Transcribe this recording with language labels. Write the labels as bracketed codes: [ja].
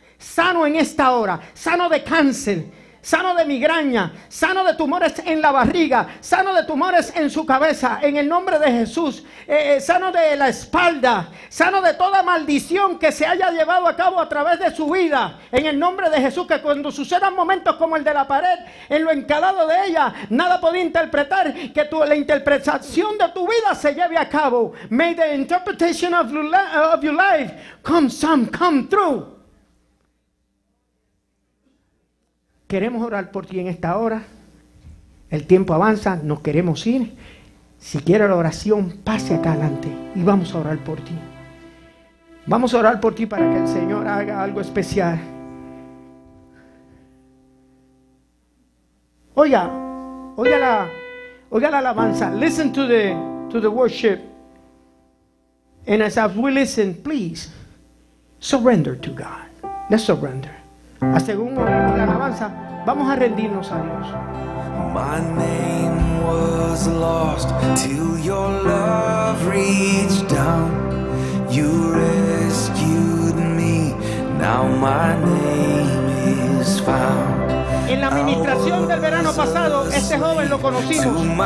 [es] Sano en esta hora. Sano de cáncer. Sano de migraña, sano de tumores en la barriga, sano de tumores en su cabeza, en el nombre de Jesús, sano de la espalda, sano de toda maldición que se haya llevado a cabo a través de su vida, en el nombre de Jesús, que cuando sucedan momentos como el de la pared, en lo encalado de ella, nada podía interpretar, que la interpretación de tu vida se lleve a cabo. [en] May the interpretation of your life come through. [es] Queremos orar por ti en esta hora. El tiempo avanza, nos queremos ir. Si quieres la oración, pase acá adelante y vamos a orar por ti. Vamos a orar por ti para que el Señor haga algo especial. Oiga la alabanza. [en] Listen to the worship. And as we listen, please surrender to God. Let's surrender. [es] Según la alabanza, vamos a rendirnos a Dios. [en] My name was lost till your love reached down. You rescued me, now my name is found. [es] En la administración del verano pasado, este joven lo conocimos.